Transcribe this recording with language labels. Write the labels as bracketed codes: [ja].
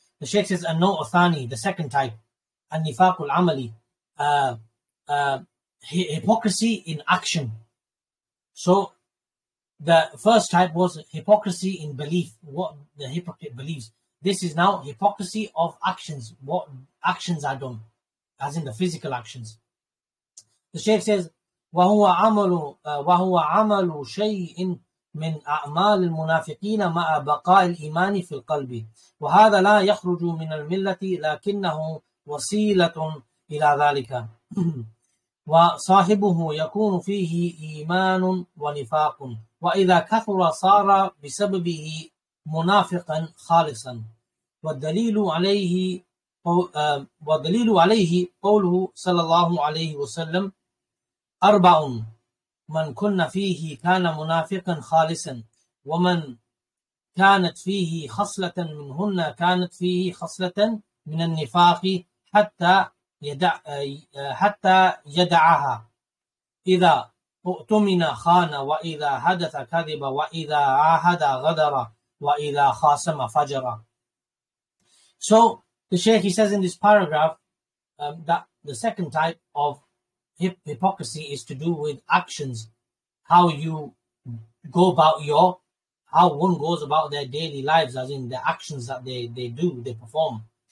[en] The Shaykh says, and no athani, the second type, and nifaqul amali, hypocrisy in action. So the first type was hypocrisy in belief, what the hypocrite believes. This is now hypocrisy of actions, what actions are done, as in the physical actions. The Shaykh says, [ar] وَهُوَ عَمَلُ شَيْءٍ مِنْ أَعْمَالِ الْمُنَافِقِينَ مَعَ بَقَاءِ الْإِيمَانِ فِي الْقَلْبِ وَهَذَا لَا يَخْرُجُ مِنَ الْمِلَّةِ لَكِنَّهُ وَسِيلَةٌ إِلَى ذَلِكَ وَصَاحِبُهُ يَكُونُ فِيهِ إِيمَانٌ وَنِفَاقٌ وَإِذَا كَثُرَ صَارَ بِسَبَبِهِ مُنَافِقًا خَالِصًا وَالدَّلِيلُ عَلَيْهِ قَوْلُهُ صلى الله عليه وسلم أربع من كن فيه كان منافقا خالصا ومن كانت فيه خصلة منهن كانت فيه خصلة من النفاق حتى يدعها إذا اؤتمن خان وإذا حدث كذب وإذا عاهد غدر وإذا خاصم فجر. [en] So the Shaykh, he says in this paragraph that the second type of hypocrisy is to do with actions, how you go about your, how one goes about their daily lives, as in the actions that they do, they perform.